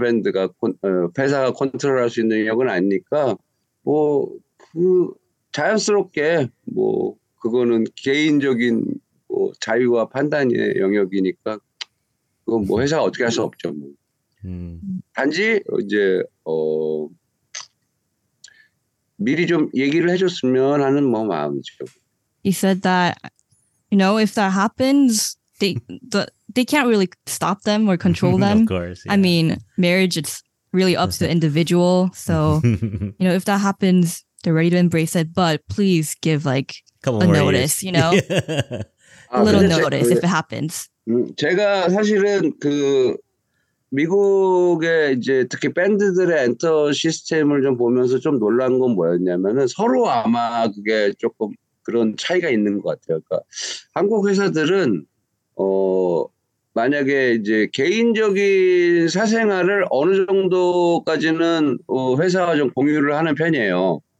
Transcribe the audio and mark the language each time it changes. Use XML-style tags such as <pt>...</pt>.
<ko>밴드가 회사가 컨트롤 할 수 있는 역은 아니니까 뭐 그 자연스럽게 뭐 그거는 개인적인 뭐 자유와 판단의 영역이니까 그건 뭐 회사가 어떻게 할 수 없죠. 뭐. 단지 이제 미리 좀 얘기를 해줬으면 하는 뭐 마음이죠.</ko> <en>He said that, you know, if that happens, they can't really stop them or control them. Of course, yeah. I mean, marriage it's really up to the individual. So, you know, if that happens. They're ready to embrace it, but please give like a notice, you know, a little notice if it happens.</en> <ko>제가 사실은 그 미국의 이제 특히 밴드들의 엔터 시스템을 좀 보면서 좀 놀란 건 뭐였냐면은 서로 아마 그게 조금 그런 차이가 있는 것 같아요. 그러니까 한국 회사들은 만약에 이제 개인적인 사생활을 어느 정도까지는 회사와 좀 공유를 하는 편이에요.</ko>